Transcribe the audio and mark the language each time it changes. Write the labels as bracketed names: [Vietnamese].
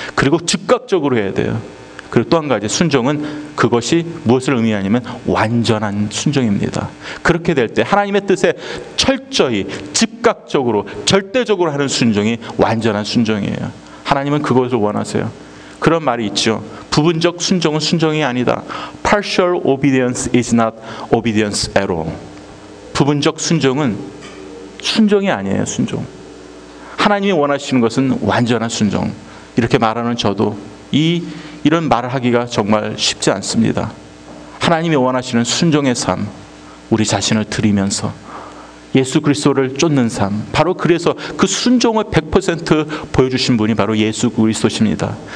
[Korean] 그리고 즉각적으로 해야 돼요. 그리고 또 한 가지 순종은 그것이 무엇을 의미하냐면 완전한 순종입니다. 그렇게 될 때 하나님의 뜻에 철저히 즉각적으로 절대적으로 하는 순종이 완전한 순종이에요. 하나님은 그것을 원하세요. 그런 말이 있죠. 부분적 순종은 순종이 아니다. [English] Partial obedience is not obedience at all. [Korean] 부분적 순종은 순종이 아니에요. 순종. 하나님이 원하시는 것은 완전한 순종. 이렇게 말하는 저도 이런 말을 하기가 정말 쉽지 않습니다. 하나님이 원하시는 순종의 삶, 우리 자신을 드리면서 예수 그리스도를 쫓는 삶, 바로 그래서 그 순종을 100% 보여주신 분이 바로 예수 그리스도십니다.